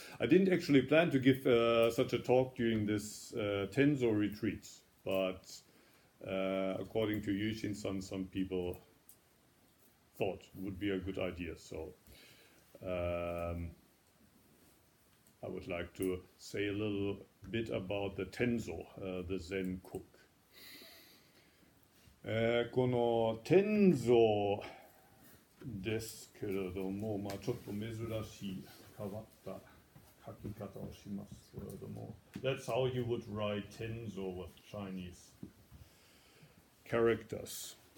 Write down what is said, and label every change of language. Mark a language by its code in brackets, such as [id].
[en] I didn't actually plan to give such a talk during this Tenzo retreat, but according to Yushin-san, some people thought would be a good idea. So I would like to say a little bit about the Tenzo, the Zen cook. [ja] この Tenzo ですけれども、まあ、ちょっと珍しい変わった書き方をしますけれども。 [en] That's how you would write Tenzo with Chinese characters.